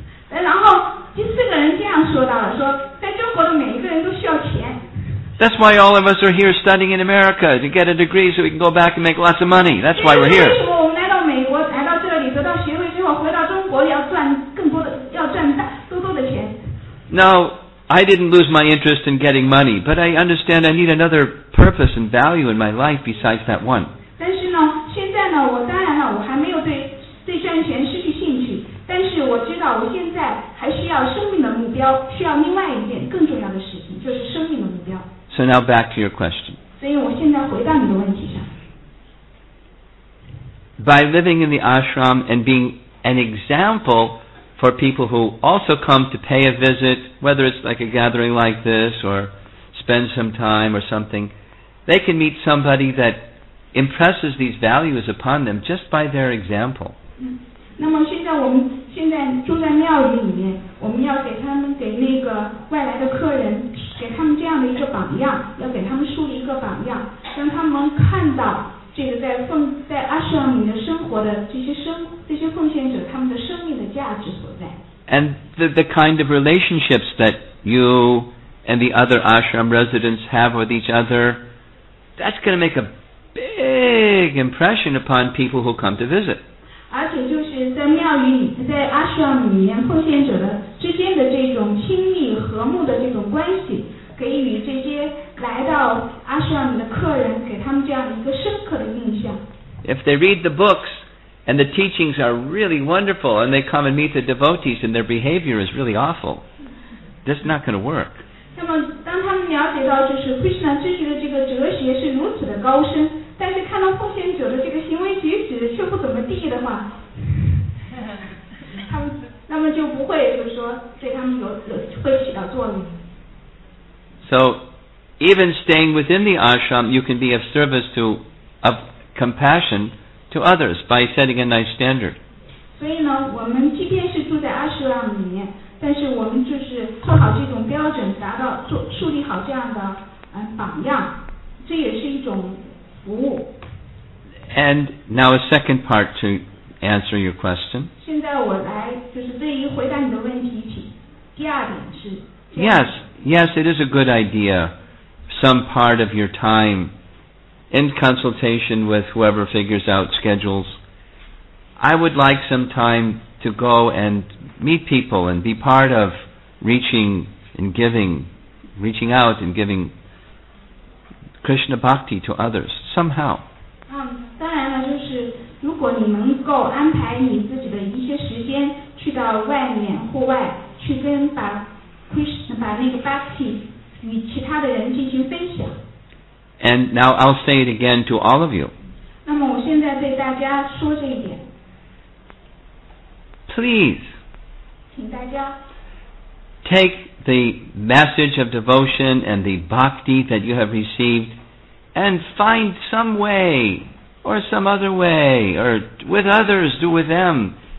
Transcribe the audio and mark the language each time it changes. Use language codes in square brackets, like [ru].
[zh] 然后第四个人这样说到了，说在中国的每一个人都需要钱。 [en] That's why all of us are here studying in America to get a degree so we can go back and make lots of money. That's why we're here. [zh] 为什么我们来到美国，来到这里，得到学位之后，回到中国要赚更多的，要赚多多的钱？ [en] No, I didn't lose my interest in getting money, but I understand I need another. Purpose and value in my life besides that one. [zh] 但是呢，现在呢，我当然了，我还没有对赚钱失去兴趣，但是我知道我现在还需要生命的目标，需要另外一件更重要的事情，就是生命的目标。 [en] So now back to your question. [zh] 所以我现在回到你的问题上。 [en] By living in the ashram and being an example for people who also come to pay a visit, whether it's like a gathering like this or. Spend some time or something, they can meet somebody that impresses these values upon them just by their example. [zh] 那么现在我们现在住在庙宇里面，我们要给他们给那个外来的客人，给他们这样的一个榜样，要给他们树立一个榜样，让他们看到这个在ashram里面生活的这些奉献者他们的生命的价值所在。 [en] And the kind of relationships that you. And the other ashram residents have with each other, that's going to make a big impression upon people who come to visit. [zh] 而且就是在庙宇里，在 ashram 里面，奉献者的之间的这种亲密和睦的这种关系，给予这些来到 ashram 的客人，给他们这样一个深刻的印象。 [en] If they read the books and the teachings are really wonderful, and they come and meet the devotees, and their behavior is really awful, that's not going to work. [zh] 那么当他们了解到就是 Krishna 真实的这个哲学是如此的高深，但是看到奉献者的这个行为举止却不怎么地的话，那么就不会就是说对他们 会起到作用。 [en] So even staying within the ashram you can be of service to of compassion to others by setting a nice standard. [zh] 所以呢，我们即便是住在 ashram 里面，但是我们就是做好这种标准，达到做树立好这样的榜样，这也是一种服务。 [en] And now a second part to answer your question. [zh] 现在我来就是对于回答你的问题起，第二点是。 [en] Yes, yes, it is a good idea. Some part of your time, in consultation with whoever figures out schedules, I would like some time to go and. Meet people and be part of reaching and giving, reaching out and giving Krishna bhakti to others somehow. [zh] 当然了，就是如果你能够安排你自己的一些时间去到外面户外去跟把 Krishna 把那个 bhakti 与其他的人进行分享。 [en] And now I'll say it again to all of you. [zh] 那么我现在对大家说这一点。 [en] Please. Take the message of devotion and the bhakti that you have received and find some way or some other way or with others, do with them.